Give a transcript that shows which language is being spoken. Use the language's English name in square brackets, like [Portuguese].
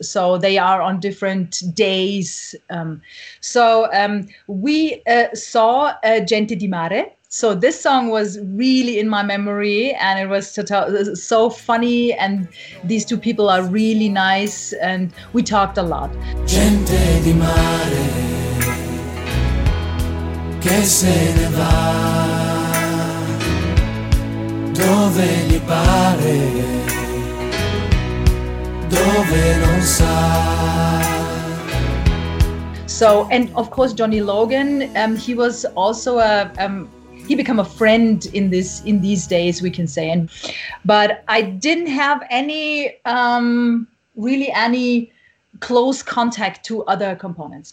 [English] So they are on different days. So we saw Gente di Mare. So this song was really in my memory, and it was so funny, and these two people are really nice, and we talked a lot. [Italian] Gente di mare, che se ne va, dove gli pare, dove non sa. [English] So, and of course, Johnny Logan, he was also a... He became a friend in these days, we can say. And but I didn't have any really any close contact to other components.